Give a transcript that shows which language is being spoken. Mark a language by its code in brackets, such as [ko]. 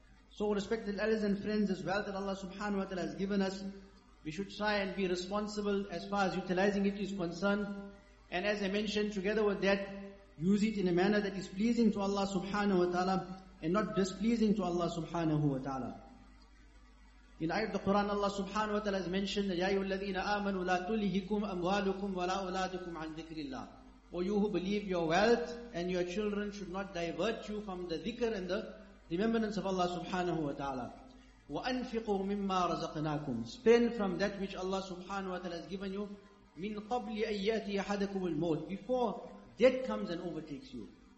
[en] So respected elders and friends, as well that Allah subhanahu wa ta'ala has given us, we should try and be responsible as far as utilizing it is concerned. And as I mentioned, together with that, use it in a manner that is pleasing to Allah subhanahu wa ta'ala and not displeasing to Allah subhanahu wa ta'ala. In ayat the Quran, Allah subhanahu wa ta'ala has mentioned that, [ar] يَا أَيُّهَا الَّذِينَ آمَنُوا لَا تُلْهِكُمْ أَمْوَالُكُمْ وَلَا أَوْلَادُكُمْ عَنْ ذِكْرِ اللَّهِ. [en] Or you who believe, your wealth and your children should not divert you from the dhikr and the remembrance of Allah subhanahu wa ta'ala. [ar] وَأَنْفِقُوا مِمَّا رَزَقْنَاكُمْ. [en] Spend from that which Allah subhanahu wa ta'ala has given you. [ar] مِنْ قَبْلِ أَيَّاتِ أَحَدَكُمُ الْمَوْتِ. [en] Before death comes and overtakes you.